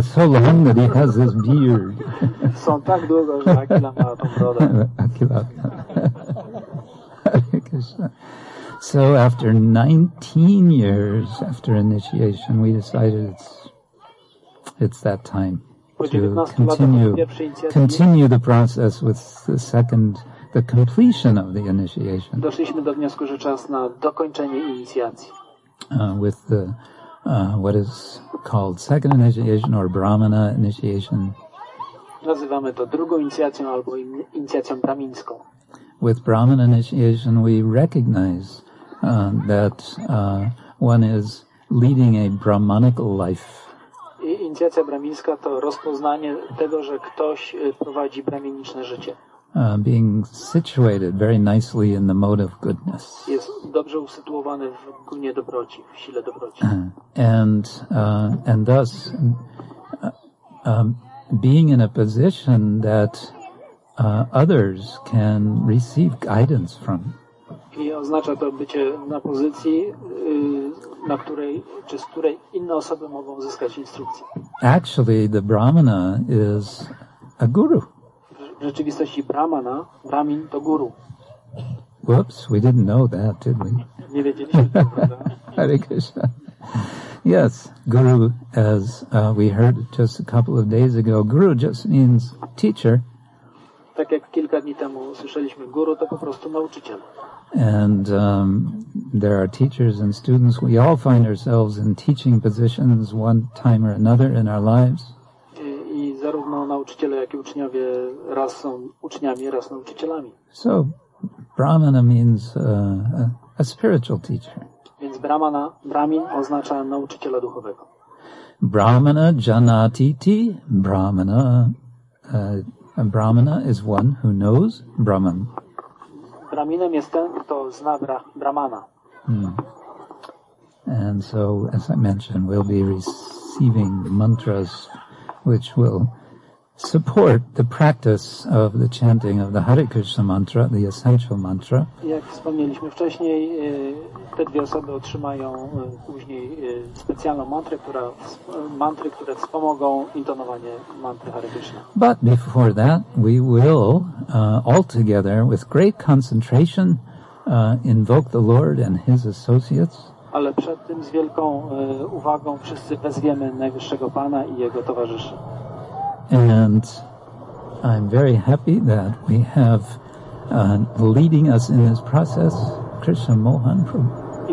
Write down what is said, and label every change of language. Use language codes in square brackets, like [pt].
[en] So long that he has this beard. [pl] Są tak długo, że Akilat ma tą brodę. Akilat. [en] So after 19 years after initiation, we decided it's that time to continue the process with the second, the completion of the initiation. [pl] Doszliśmy do wniosku, że czas na dokończenie inicjacji. [en] With the what is called second initiation or Brahmana initiation. [pl] Nazywamy to drugą inicjacją albo inicjacją brahmińską. [en] With Brahmana initiation, we recognize that one is leading a brahmanical life. [pl] I inicjacja brahmińska to rozpoznanie tego, że ktoś prowadzi brahmaniczne życie. [en] Being situated very nicely in the mode of goodness. [pl] Jest dobrze usytuowany w gunie dobroci, w sile dobroci. [en] And thus being in a position that others can receive guidance from. [pl] I oznacza to bycie na pozycji, na której, czy z której inne osoby mogą uzyskać instrukcję. [en] Actually, the brahmana is a guru. [pl] W rzeczywistości brahmana, brahmin to guru. [en] Whoops, we didn't know that, did we? [pl] Nie wiedzieliśmy tego, prawda? [en] Hare Krishna. Yes, guru, as we heard just a couple of days ago, guru just means teacher. [pl] Tak jak kilka dni temu usłyszeliśmy, guru to po prostu nauczyciel. [en] And there are teachers and students. We all find ourselves in teaching positions one time or another in our lives. [pl] I zarówno nauczyciele, jak i uczniowie raz są uczniami, raz nauczycielami. [en] So, brahmana means a spiritual teacher. [pl] Więc brahmana, brahmin oznacza nauczyciela duchowego. [sa] Brahmana janati ti, brahmana. [en] A brahmana is one who knows Brahman. [pl] Brahminem jest ten, kto zna Brahmana. [en] And so, as I mentioned, we'll be receiving the mantras which will support the practice of the chanting of the Hare Krishna mantra, the essential mantra. [pl] Jak wspomnieliśmy wcześniej, te dwie osoby otrzymają później specjalną mantrę, które wspomogą intonowanie mantry Hare Krishna. [en] But before that, we will all together, with great concentration, invoke the Lord and His associates. [pl] Ale przed tym z wielką uwagą wszyscy wezwiemy Najwyższego Pana i Jego towarzyszy. [en] And I'm very happy that we have leading us in this process, Krishna Mohan Prabhu.